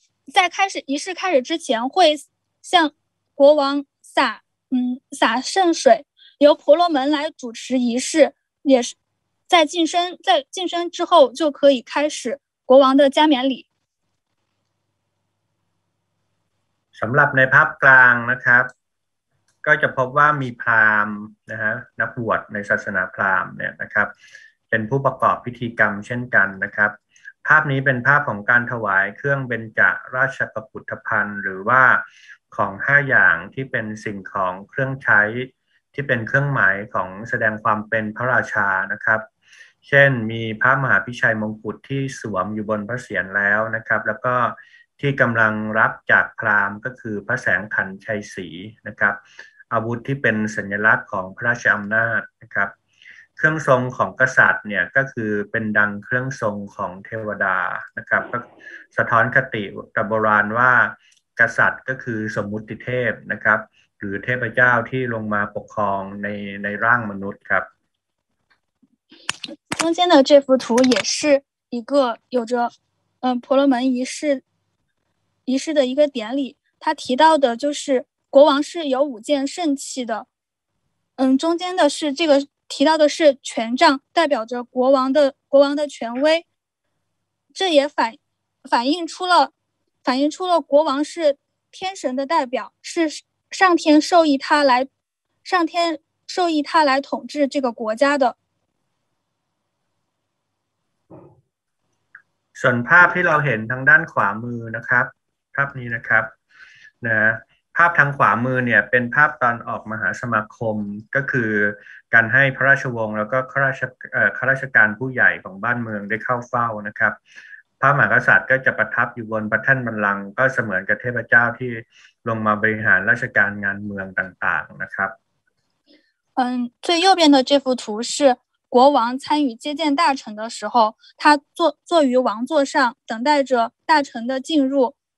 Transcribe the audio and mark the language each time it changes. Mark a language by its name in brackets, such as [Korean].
[Chinese] 在开始仪式开始之前会向国王撒圣水由婆罗门来主持仪式也是在晋升之后就可以开始国王的加冕礼 [Thai] สำหรับในภาพกลางนะครับก็จะพบว่ามีพราหมณ์นะฮะนักบวชในศาสนาพราหมณ์เนี่ยนะครับเป็นผู้ประกอบพิธีกรรมเช่นกันนะครับภาพนี้เป็นภาพของการถวายเครื่องเบญจราชกปุถัมภันหรือว่า ของ5อย่างที่เป็นสิ่งของเครื่องใช้ที่เป็นเครื่องหมายของแสดงความเป็นพระราชานะครับเช่นมีพระมหาพิชัยมงกุฎที่สวมอยู่บนพระเศียรแล้วนะครับแล้วก็ที่กำลังรับจากพราหมณ์ก็คือพระแสงขันชัยศรีนะครับ อาวุธที่เป็นสัญลักษณ์ของพระราชอำนาจนะครับเครื่องทรงของกษัตริย์เนี่ยก็คือเป็นดังเครื่องทรงของเทวดานะครับก็สะท้อนคติตำราว่ากษัตริย์ก็คือสมมุติเทพนะครับหรือเทพเจ้าที่ลงมาปกครองในร่างมนุษย์ครับ [Chinese] 中间的这幅图也是一个有着婆罗门仪式的一个典礼，他提到的就是国王是有五件圣器的，中间的是这个提到的是权杖，代表着国王的权威，这也反映出了国王是天神的代表，是上天授意他来统治这个国家的。 [Thai] ส่วนภาพที่เราเห็นทางด้านขวามือนะครับภาพนี้นะครับนะภาพทางขวามือเนี่ยเป็นภาพตอนออกมหาสมาคมก็คือการให้พระราชวงศ์แล้วก็ข้าราชการผู้ใหญ่ของบ้านเมืองได้เข้าเฝ้านะครับพระมหากษัตริย์ก็จะประทับอยู่บนพระแท่นบัลลังก์ก็เสมือนกับเทพเจ้าที่ลงมาบริหารราชการงานเมืองต่างๆนะครับ [Chinese] 最右边的这幅图是国王参与接见大臣的时候，他坐于王座上，等待着大臣的进入。